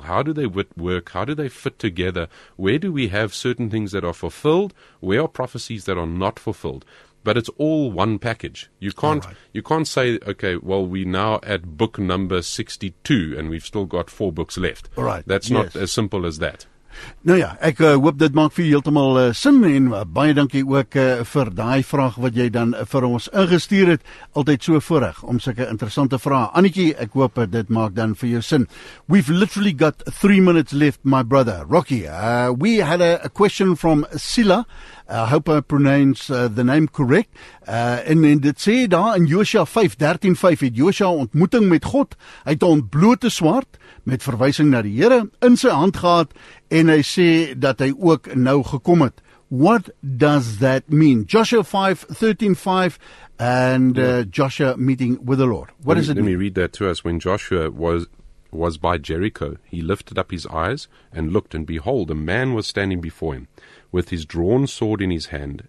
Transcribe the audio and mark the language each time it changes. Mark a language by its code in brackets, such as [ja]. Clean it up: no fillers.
[en] How do they work? How do they fit together? Where do we have certain things that are fulfilled? Where are prophecies that are not fulfilled? But it's all one package. You can't say, okay, well, we now at book number 62 and we've still got four books left. All right. That's not as simple as that. [af] Nou ja, ek hoop dit maak vir heeltemal sin en baie dankie ook vir daai vraag wat jy dan vir ons ingestuur het. Altyd so voorreg om sulke interessante vrae. Annetjie, ek hoop dit maak dan vir jou sin. [en] We've literally got 3 minutes left, my brother. Rocky, we had a question from Sila. I hope I pronounce the name correct. [af] En dit sê daar in Josua 5:13-5 het Josua ontmoeting met God. Hy het 'n ontblote swaard met verwysing na die Here in sy hand gehad en hy sê dat hy ook nou gekom het. [en] What does that mean? Josua 5:13-5 and Josua meeting with the Lord. What does it mean? Let me read that to us. When Joshua was by Jericho, he lifted up his eyes and looked, and behold, a man was standing before him with his drawn sword in his hand.